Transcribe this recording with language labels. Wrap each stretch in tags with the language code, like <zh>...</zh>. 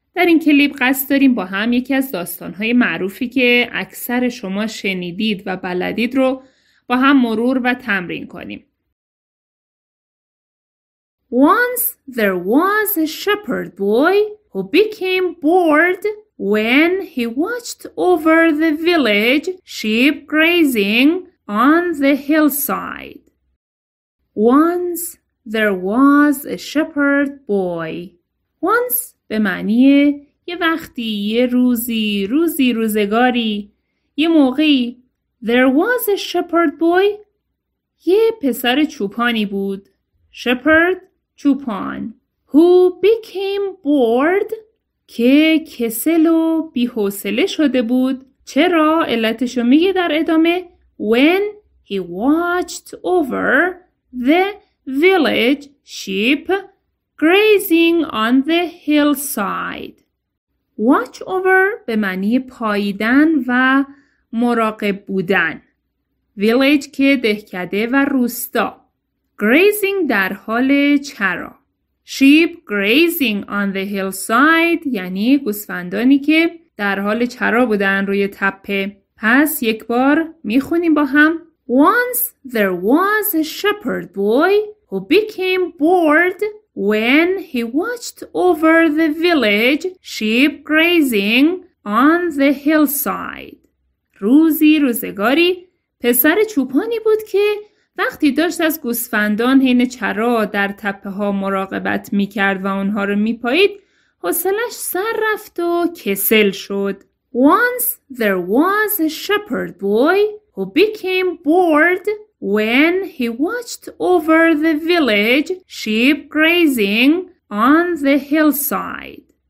<fa>در این کلیپ قصد داریم با هم یکی از داستانهای معروفی که اکثر شما شنیدید و بلدید رو با هم مرور و تمرین کنیم.</fa> <en>Once there was a shepherd boy who became bored when he watched over the village sheep grazing on the hillside. Once there was a shepherd boy.</en> <fa>Once به معنی یه وقتی، یه روزی، روزی، روزگاری، یه موقعی.</fa> <en>There was a shepherd boy.</en> <fa>یه پسر چوپانی بود.</fa> <en>Shepherd، چوپان. Who became bored.</en> <fa>که کسل و بی‌حوصله شده بود. چرا؟ علتشو میگه در ادامه.</fa> <en>When he watched over the village sheep grazing on the hillside.</en> <fa>Watch over به معنی پاییدن و مراقب بودن. Village که دهکده و روستا. Grazing در حال چرا.</fa> <en>Sheep grazing on the hillside</en> <fa>یعنی گوسفندانی که در حال چرا بودن روی تپه. پس یک بار میخونیم با هم.</fa> <en>Once there was a shepherd boy who became bored when he watched over the village sheep grazing on the hillside.</en> <fa>روزی روزگاری پسر چوپانی بود که وقتی داشت از گوسفندان حین چرا در تپه ها مراقبت می کرد و اونها رو می پایید، حوصله‌اش سر رفت و کسل شد.</fa> <en>Once there was a shepherd boy who became bored when he watched over the village sheep grazing on the hillside.</en>